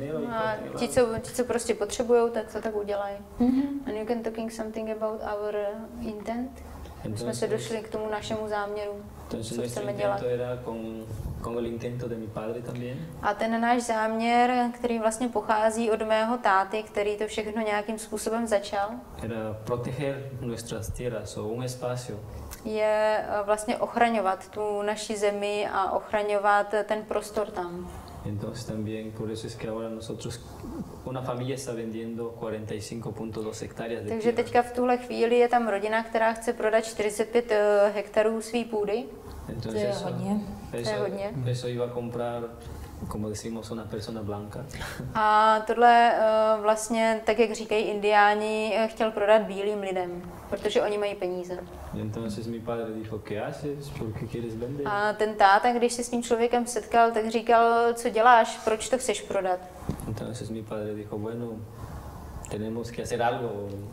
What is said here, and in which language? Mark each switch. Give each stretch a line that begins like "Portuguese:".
Czech: A ti, co prostě potřebují, tak to tak udělají.
English: And you can talking something about our intent?
Czech: Entonces, jsme se došli k tomu našemu záměru,
Spanish: entonces,
Czech: co chceme dělat.
Spanish: Con el intento de mi padre también.
Czech: A ten náš záměr, který vlastně pochází od mého táty, který to všechno nějakým způsobem začal,
Spanish: era proteger nuestras tierras o un espacio.
Czech: Je vlastně ochraňovat tu naši zemi a ochraňovat ten prostor tam.
Spanish: Entonces también por eso es que ahora nosotros una familia está vendiendo 45.2 hectáreas de.
Czech: Takže teďka v tuhle chvíli je tam rodina, která chce prodat 45 hektarů své půdy.
Spanish: Entonces, eso iba a comprar, como decimos, una persona blanca.
Czech: A tohle vlastně, tak jak říkají Indiáni, chtěl prodat bílým lidem, protože oni mají peníze.
Spanish: Entonces mi padre dijo, ¿qué haces? ¿Por qué quieres vender?
Czech: A ten táta, když se s tím člověkem setkal, tak říkal, co děláš, proč to chceš prodat?
Spanish: Entonces mi padre dijo, bueno, tenemos que hacer algo.